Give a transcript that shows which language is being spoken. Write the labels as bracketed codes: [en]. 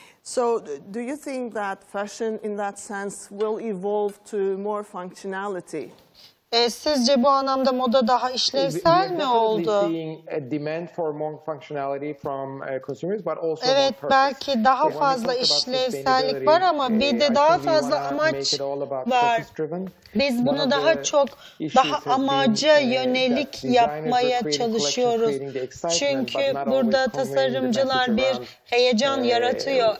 [en] So do you think that fashion in that sense will evolve to more functionality? [tr] Sizce bu anlamda moda daha işlevsel mi oldu? [en] We're seeing a demand for more functionality from consumers, but also [tr] evet, belki daha fazla işlevsellik var ama bir de daha fazla amaç var. Biz bunu daha çok daha amaca yönelik yapmaya çalışıyoruz. Çünkü burada tasarımcılar bir heyecan yaratıyor.